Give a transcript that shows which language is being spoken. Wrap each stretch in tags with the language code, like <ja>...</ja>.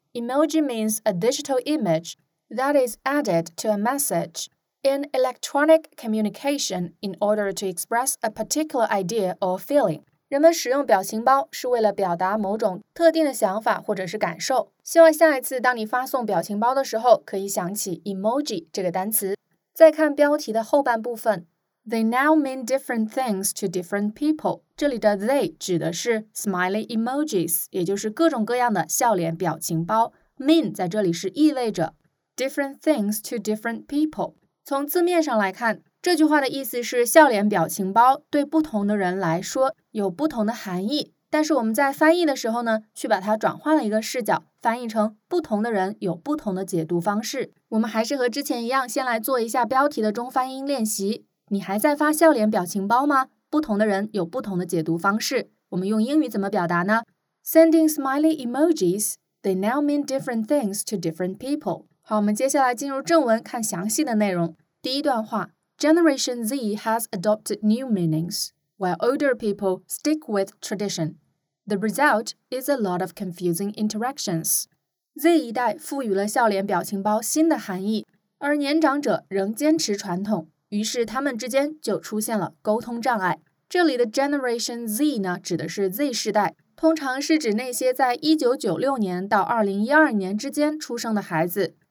<en>Emoji means a digital image that is added to a message in electronic communication in order to express a particular idea or feeling。</en> <zh>人们使用表情包是为了表达某种特定的想法或者是感受，希望下一次当你发送表情包的时候可以想起 emoji 这个单词。再看标题的后半部分，</zh> <en>They now mean different things to different people,</en> <zh>这里的 they 指的是 smiley emojis, 也就是各种各样的笑脸表情包， mean 在这里是意味着</zh> <en>different things to different people。</en> <zh>从字面上来看，这句话的意思是笑脸表情包对不同的人来说有不同的含义，但是我们在翻译的时候呢去把它转换了一个视角，翻译成不同的人有不同的解读方式。我们还是和之前一样，先来做一下标题的中翻英练习。你还在发笑脸表情包吗？不同的人有不同的解读方式，我们用英语怎么表达呢？</zh> <en>Sending smiley emojis, they now mean different things to different people.</en> <zh>好，我们接下来进入正文看详细的内容。第一段话，</zh> <en>Generation Z has adopted new meanings, while older people stick with tradition. The result is a lot of confusing interactions.</en> <zh>Z 一代赋予了笑脸表情包新的含义，而年长者仍坚持传统，于是他们之间就出现了沟通障碍。这里的 Generation Z 呢，指的是 Z 世代，通常是指那些在1996年到2012年之间出生的孩子。</zh>